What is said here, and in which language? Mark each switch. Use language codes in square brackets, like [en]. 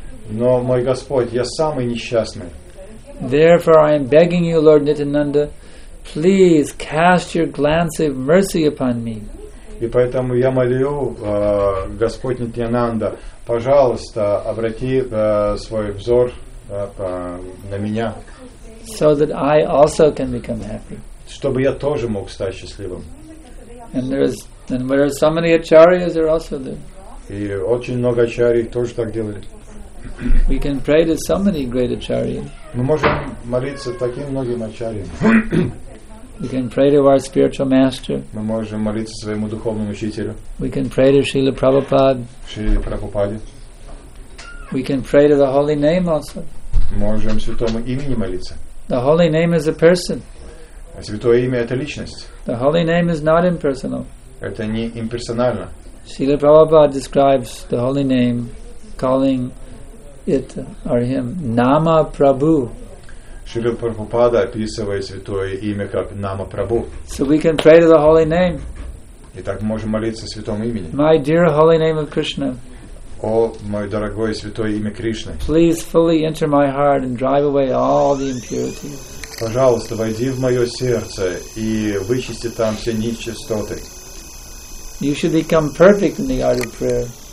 [ru] Но, мой Господь, я самый несчастный. [en] Therefore, I am begging you, Lord Nityananda, please cast your glance of mercy upon me. [ru] И поэтому я молю, Господь Нитянанда, пожалуйста, обрати свой взор на меня. [en] So that I also can become happy. [ru] Чтобы я тоже мог стать счастливым. [en] And there are so many acharyas are also there. [ru] И очень много ачарий тоже так делали. [en] We can pray to so many great acharyas. [ru] Мы можем молиться таким многим ачарьям. [en] We can pray to our spiritual master. [ru] Мы можем молиться своему духовному учителю. [en] We can pray to Srila Prabhupada. [ru] Шриле Прабхупаде. [en] We can pray to the holy name also. [ru] Можем святому имени молиться. [en] The holy name is a person. [ru] Святое имя это личность. [en] The holy name is not impersonal. [ru] Это не имперсонально. [en] Srila Prabhupada describes the holy name, calling it or him Nama Prabhu. [ru] Шрила Прабхупада описывает святое имя как Нама Прабху. [en] So we can pray to the holy name. [ru] Итак, мы можем молиться святому имени. [en] My dear holy name of Krishna. [ru] О, мой дорогой святое имя Кришны. [en] Please fully enter my heart and drive away all the impurities. [ru] Пожалуйста, войди в мое сердце и вычисти там все нечистоты. [en] You should become perfect in the art of prayer.